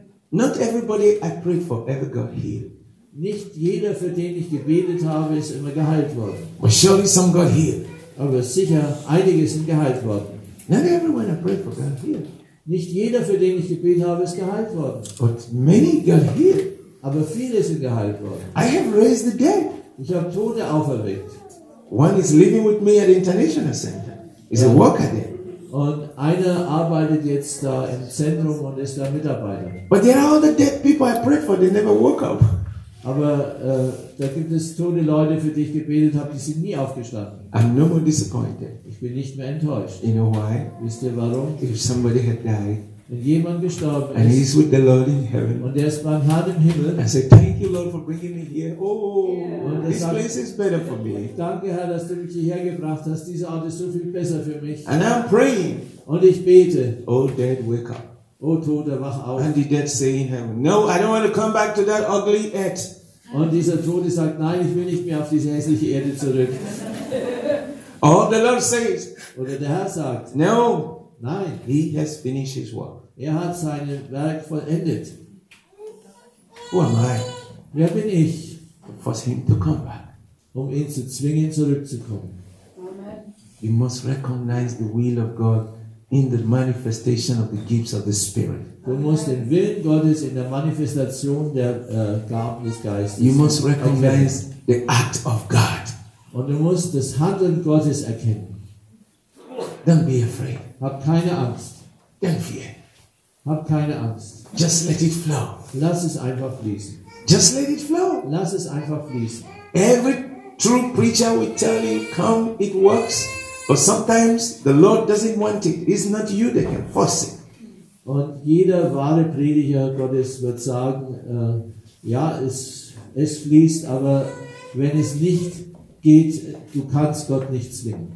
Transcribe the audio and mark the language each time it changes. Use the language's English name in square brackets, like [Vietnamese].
[English] Not everybody I prayed for ever got healed. [German] Nicht jeder, für den ich gebetet habe, ist immer geheilt worden. [English] But surely some got healed. [German] Aber sicher, einige sind geheilt worden. [English] Not everyone I prayed for got healed. [German] Nicht jeder, für den ich gebetet habe, ist geheilt worden. [English] But many got healed. [German] Aber viele sind geheilt worden. [English] I have raised the dead. [German] Ich habe Tote auferweckt. [English] One is living with me at the International Center. He's a worker there. [German] Und einer arbeitet jetzt da im Zentrum und ist da Mitarbeiter. [English] But there are all the dead people I prayed for, they never woke up. [German] Aber da gibt es tote Leute, für die ich gebetet habe, die sind nie aufgestanden. [English] I'm no more disappointed. [German] Ich bin nicht mehr enttäuscht. [English] You know why? [German] Wisst ihr warum? [English] If somebody had died. [German] Wenn jemand gestorben [English] and [German] ist, [English] he's with the Lord in heaven, [German] und er ist beim Herrn im Himmel, [English] I said, thank you, Lord, for bringing me here. Oh, yeah. This sagt, place is better for me. [German] Danke, Herr, dass du mich hierher gebracht hast. Diese Art ist so viel besser für mich. [English] And I'm praying. [German] Und ich bete. [English] Oh, dead, wake up. [German] Oh, Tote, wach auf. [English] And the dead say in heaven, no, I don't want to come back to that ugly earth. [German] Und dieser Tote sagt, nein, ich will nicht mehr auf diese hässliche Erde zurück. [English] Oh, the Lord says. [German] Oder der Herr sagt, [English] no. [German] Nein, [English] he has finished his work. [German] Er hat sein Werk vollendet. [English] Who am I? [German] Wer bin ich? [English] To force him to come back. [German] Um ihn zu zwingen, zurückzukommen. [English] Amen. You must recognize the will of God in the manifestation of the gifts of the Spirit. [German] Du musst den Willen Gottes in der Manifestation der Gaben des Geistes. [English] You must recognize the act of God. [German] Und du musst das Handeln Gottes erkennen. [English] Don't be afraid. [German] Hab keine Angst. [English] Don't fear. [German] Hab keine Angst. [English] Just let it flow. [German] Lass es einfach fließen. [English] Just let it flow. [German] Lass es einfach fließen. [English] Every true preacher will tell you, come, it works. But sometimes the Lord doesn't want it. It's not you that can force it. [German] Und jeder wahre Prediger Gottes wird sagen, ja, es fließt, aber wenn es nicht geht, du kannst Gott nicht zwingen.